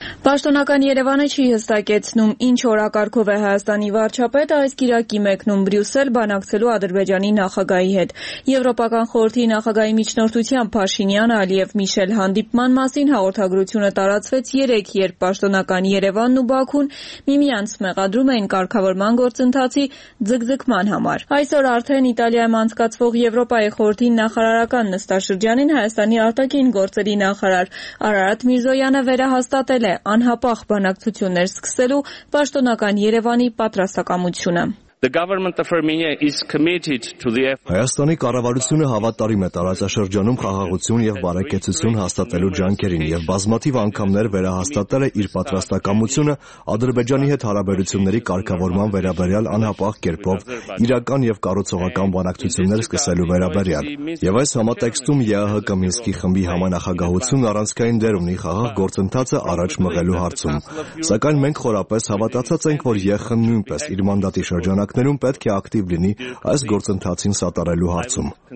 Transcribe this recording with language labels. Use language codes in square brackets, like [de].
[hy] Պաշտոնական Երևանը չի հստակեցնում, ինչ օրակարգով է Հայաստանի վարչապետը այս կիրակի մեկնում Բրյուսել բանակցելու Ադրբեջանի նախագահի հետ։ Եվրոպական խորհրդի նախագահի միջնորդությամբ Փաշինյանը, Ալիև, Միշել հանդիպման մասին հաղորդագրությունը տարածվեց 3, երբ պաշտոնական Երևանն ու Բաքուն միմյանց մեղադրում էին կարգավորման գործընթացի ձգձգման համար։ Այսօր արդեն Իտալիայում անցկացվող Եվրոպայի խորհրդի նախարարական նստաշրջանին Հայաստանի արտաքին գործերի նախարար Արարատ Միրզոյանը վերահաստատ Տելե անհապաղ բանակցություններ սկսելու պաշտոնական Երևանի պատրաստակամությունը։ [en] The government of Armenia is committed to the effort. [hy] Հայաստանի կառավարությունը հավատարիմ է տարածաշրջանում խաղաղություն եւ բարեկեցություն հաստատելու ջանքերին եւ բազմաթիվ անգամներ վերահաստատել է իր պատրաստակամությունը Ադրբեջանի հետ հարաբերությունների կարգավորման վերաբերյալ անհապաղ կերպով իրական եւ կառուցողական բանակցություններ սկսելու վերաբերյալ։ Եվ այս համատեքստում ԵԱՀԿ Մինսկի խմբի համանախագահությունն առանցքային դեր ունի խաղաղ գործընթացը առաջ մղելու հարցում։ Սակայն մենք խորապես հավատացած ենք, որ ԵԱՀԿ-ն նույնպես իր մանդատի շրջանում ժանակներում պետք է ակտիվ լինի այս գործընթացին սատարելու հարցում։